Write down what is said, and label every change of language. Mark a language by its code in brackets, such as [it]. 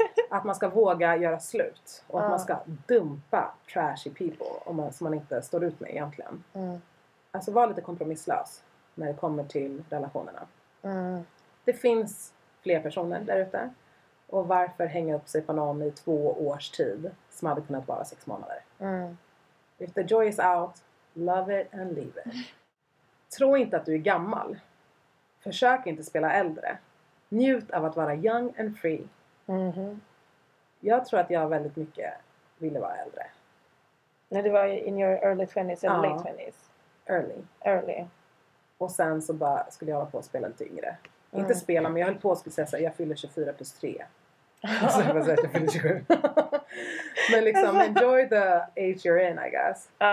[sv] Att man ska våga göra slut. Och att man ska dumpa trashy people som man inte står ut med egentligen. Mm. Alltså vara lite kompromisslös när det kommer till relationerna. Mm. Det finns fler personer där ute. Och varför hänga upp sig på någon i 2 års tid som hade kunnat vara 6 månader? Mm. [en] If the joy is out, love it and leave it. [sv] Tro inte att du är gammal. Försök inte spela äldre. Njut av att vara young and free. Mm-hmm. Jag tror att jag väldigt mycket ville vara äldre. [en] När du var in your early 20s eller late 20s? Early. [sv] Och sen så bara skulle jag hålla på att spela lite yngre. Mm. Inte spela, men jag höll på att säga såhär, jag fyller 24 plus 3. Så jag bara säger att jag fyller 27. [en] Men liksom, enjoy the age you're in, I guess.